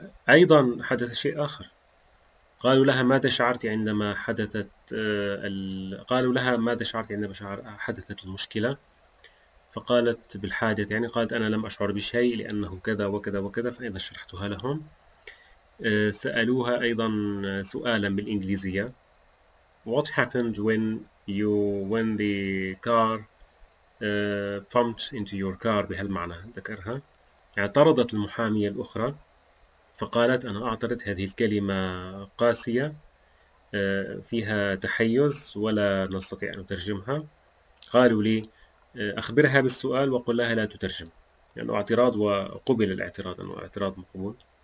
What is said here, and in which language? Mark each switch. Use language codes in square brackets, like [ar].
[ar] أيضا حدث شيء آخر. قالوا لها ماذا شعرت عندما حدثت قالوا لها ماذا شعرت عندما حدثت المشكلة؟ فقالت بالحادث، يعني قالت أنا لم أشعر بشيء لأنه كذا وكذا وكذا، فأيضا شرحتها لهم. سألوها أيضا سؤالا بالإنجليزية، [en] What happened when the car pumped into your car، [ar] بهالمعنى ذكرها. اعترضت المحامية الأخرى فقالت أنا أعترض، هذه الكلمة قاسية فيها تحيز ولا نستطيع أن نترجمها. قالوا لي أخبرها بالسؤال وقل لها لا تترجم، لأنه يعني اعتراض، وقبل الاعتراض أنه اعتراض مقبول.